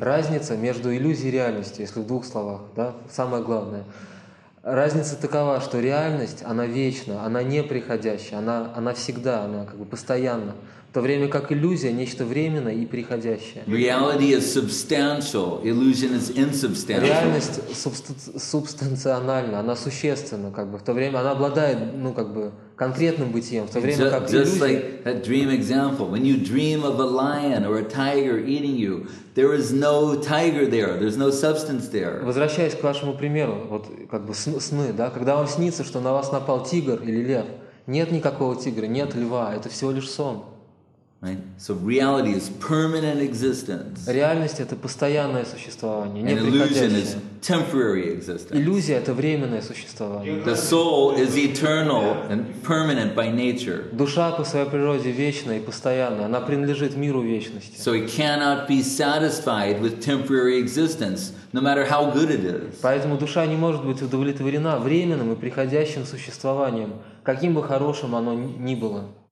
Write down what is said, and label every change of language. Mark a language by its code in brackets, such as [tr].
[ru] Разница между иллюзией и реальностью, если в двух словах, да, самое главное. Разница такова, что реальность, она вечна, она неприходящая, она всегда, она как бы постоянна. В то время как иллюзия – нечто временное и приходящее. [en] Reality is substantial, illusion is insubstantial. [ru] Реальность субстанциональна, она существенна, как бы, в то время она обладает, ну, как бы, конкретным бытием, в то время как иллюзия… [en] Just like that dream example, when you dream of a lion or a tiger eating you, there is no tiger there, there's no substance there. [ru] Возвращаясь к вашему примеру, вот, как бы, сны, да, когда вам снится, что на вас напал тигр или лев, нет никакого тигра, нет льва, это всего лишь сон. [en] Right? So reality is permanent existence. [ru] Реальность — это постоянное существование, не приходящее. [en] And illusion is temporary existence. [ru] Иллюзия — это временное существование. [en] The soul is eternal and permanent by nature. [ru] Душа по своей природе вечна и постоянна. Она принадлежит миру вечности. [en] So it cannot be satisfied with temporary existence, no matter how good it is. [ru] Поэтому душа не может быть удовлетворена временным и приходящим существованием, каким бы хорошим оно ни было.